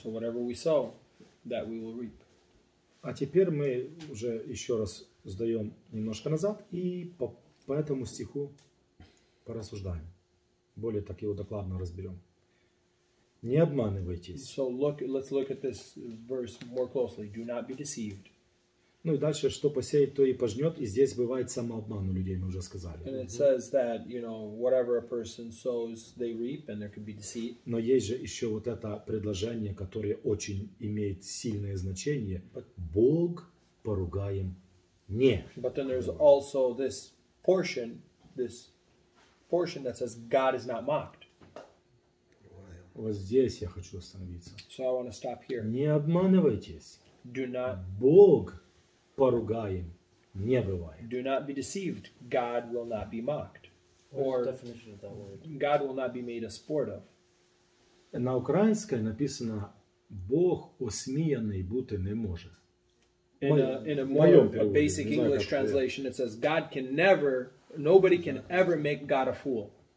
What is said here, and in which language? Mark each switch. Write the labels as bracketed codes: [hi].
[en] So whatever we sow, that we will reap. [ru] А теперь мы уже еще раз сдаем немножко назад и по этому стиху порассуждаем. Более так его докладно разберем. Не обманывайтесь. [en] So let's look at this verse more closely. Do not be deceived. [ru] Ну и дальше, что посеет, то и пожнет. И здесь бывает самообман у людей, мы уже сказали. [en] And it says that, you know, whatever a person sows, they reap, and there could be deceit. [ru] Но есть же еще вот это предложение, которое очень имеет сильное значение. Бог поругаем не. [en] But then there's also this portion that says God is not mocked. [ru] Вот здесь я хочу остановиться. [en] So I want to stop here. [ru] Не обманывайтесь. [en] Do not... [ru] Бог поругаем не бывает. [en] Do not be deceived. God will not be mocked. What's the definition of that word? God will not be made a sport of. [ru] На украинском написано [uk] Бог осмеянный бути не може. [en] In a basic English translation, it says God can never, nobody can ever make God a fool.